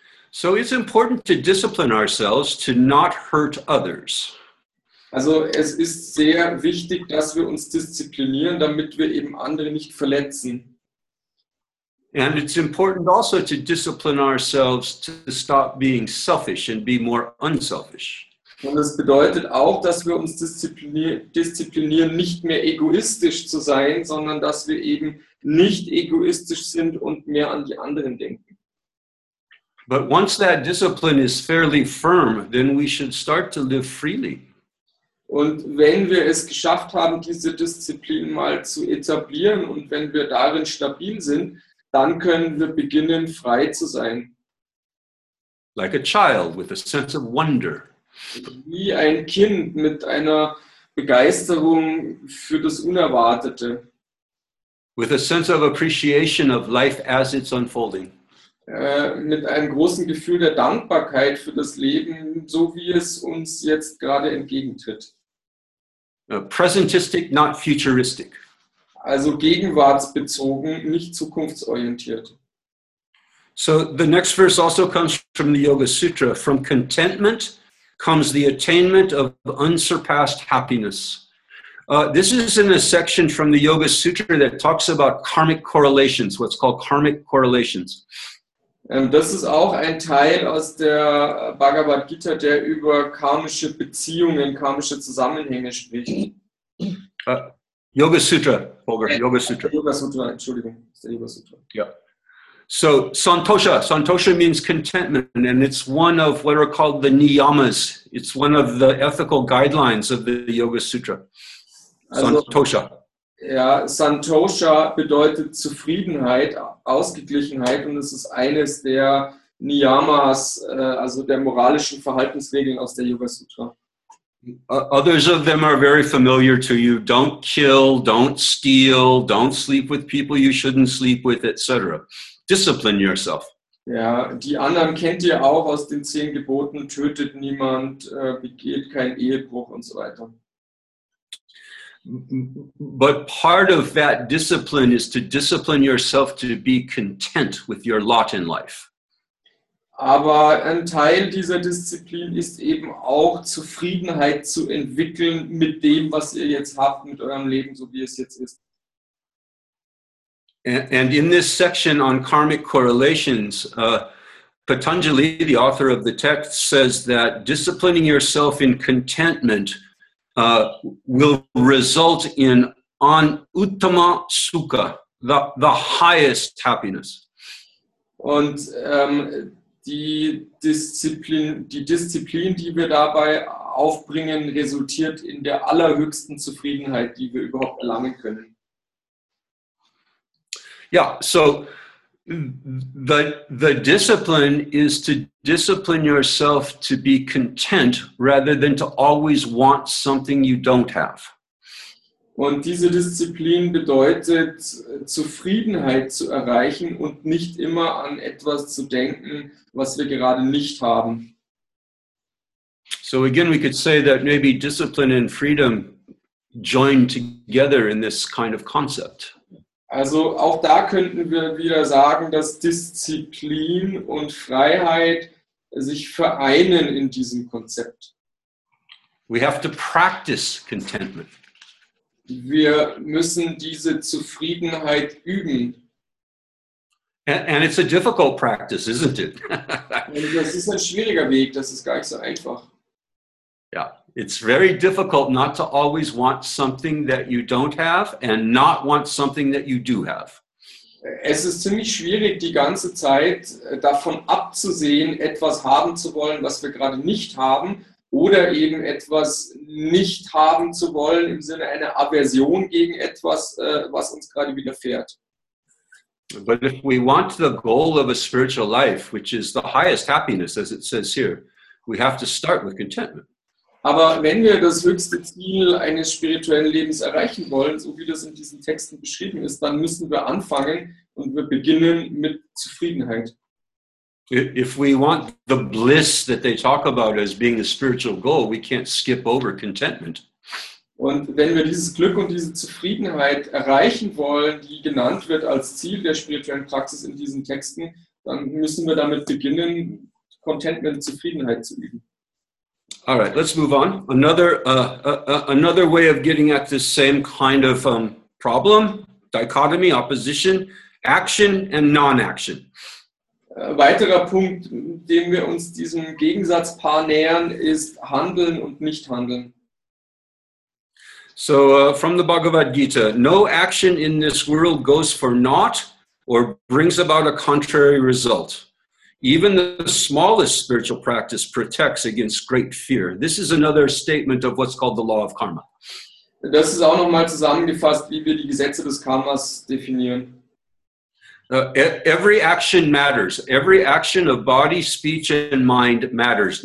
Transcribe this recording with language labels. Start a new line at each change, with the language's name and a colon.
English: So it's important to discipline ourselves to not hurt others.
German: Also es ist sehr wichtig, dass wir uns disziplinieren, damit wir eben andere nicht verletzen.
English: And it's important also to discipline ourselves to stop being selfish and be more unselfish.
German: Und es bedeutet auch, dass wir uns disziplinieren, nicht mehr egoistisch zu sein, sondern dass wir eben nicht egoistisch sind und mehr an die anderen denken.
English: But once that discipline is fairly firm, then we should start to live freely.
German: Und wenn wir es geschafft haben, diese Disziplin mal zu etablieren und wenn wir darin stabil sind, dann können wir beginnen, frei zu sein.
English: Like a child with a sense of wonder.
German: Wie ein Kind mit einer Begeisterung für das Unerwartete.
English: With a sense of appreciation of life as it's unfolding.
German: Mit einem großen Gefühl der Dankbarkeit für das Leben, so wie es uns jetzt gerade entgegentritt.
English: Presentistic, not futuristic.
German: Also gegenwartsbezogen, nicht zukunftsorientiert.
English: So the next verse also comes from the Yoga Sutra. From contentment comes the attainment of unsurpassed happiness. This is in a section from the Yoga Sutra that talks about karmic correlations, what's called karmic correlations.
German: Und das ist auch ein Teil aus der Bhagavad Gita, der über karmische Beziehungen, karmische Zusammenhänge spricht.
English: Yoga Sutra, Holger, Yoga Sutra.
German: Yoga Sutra, Entschuldigung, ist der Yoga Sutra.
English: Ja. Yeah. So, Santosha. Santosha means contentment, and it's one of what are called the Niyamas. It's one of the ethical guidelines of the Yoga Sutra. Santosha.
German: Also, ja, Santosha bedeutet Zufriedenheit, Ausgeglichenheit, und es ist eines der Niyamas, also der moralischen Verhaltensregeln aus der Yoga Sutra.
English: Others of them are very familiar to you. Don't kill, don't steal, don't sleep with people you shouldn't sleep with, etc. Discipline yourself.
German: Ja, die anderen kennt ihr auch aus den 10 Geboten. Tötet niemand, begeht kein Ehebruch und so weiter.
English: But part of that discipline is to discipline yourself to be content with your lot in life.
German: Aber ein Teil dieser Disziplin ist eben auch, Zufriedenheit zu entwickeln mit dem, was ihr jetzt habt, mit eurem Leben, so wie es jetzt ist.
English: And in this section on karmic correlations, Patanjali, the author of the text, says that disciplining yourself in contentment will result in an uttama sukha, the highest happiness.
German: Und die Disziplin, die wir dabei aufbringen, resultiert in der allerhöchsten Zufriedenheit, die wir überhaupt erlangen können.
English: Yeah, so the discipline is to discipline yourself to be content rather than to always want something you don't have.
German: Und diese Disziplin bedeutet, Zufriedenheit zu erreichen und nicht immer an etwas zu denken, was wir gerade nicht haben.
English: So again, we could say that maybe discipline and freedom join together in this kind of concept.
German: Also auch da könnten wir wieder sagen, dass Disziplin und Freiheit sich vereinen in diesem Konzept.
English: We have to practice contentment.
German: Wir müssen diese Zufriedenheit üben.
English: And it's a difficult practice, isn't it?
German: Das ist ein schwieriger Weg, das ist gar nicht so einfach. Ja.
English: It's very difficult not to always want something that you don't have and not want something that you do have.
German: Es ist ziemlich schwierig, die ganze Zeit davon abzusehen, etwas haben zu wollen, was wir gerade nicht haben, oder eben etwas nicht haben zu wollen im Sinne einer Aversion gegen etwas, was uns gerade widerfährt.
English: But if we want the goal of a spiritual life, which is the highest happiness, as it says here, we have to start with contentment.
German: Aber wenn wir das höchste Ziel eines spirituellen Lebens erreichen wollen, so wie das in diesen Texten beschrieben ist, dann müssen wir anfangen und wir beginnen mit Zufriedenheit.
English: If we want the bliss that they talk about as being a spiritual goal, we can't skip over contentment.
German: Und wenn wir dieses Glück und diese Zufriedenheit erreichen wollen, die genannt wird als Ziel der spirituellen Praxis in diesen Texten, dann müssen wir damit beginnen, Contentment, Zufriedenheit zu üben.
English: All right, let's move on. Another way of getting at this same kind of problem, dichotomy, opposition, action and non-action. Weiterer Punkt, dem wir uns diesem Gegensatzpaar nähern, ist Handeln und Nichthandeln. So, from the Bhagavad Gita, no action in this world goes for naught or brings about a contrary result. Even the smallest spiritual practice protects against great fear. This is another statement of what's called the law of karma.
German: Das ist auch nochmal zusammengefasst, wie wir die Gesetze des Karmas definieren.
English: Every action matters. Every action of body, speech and mind matters.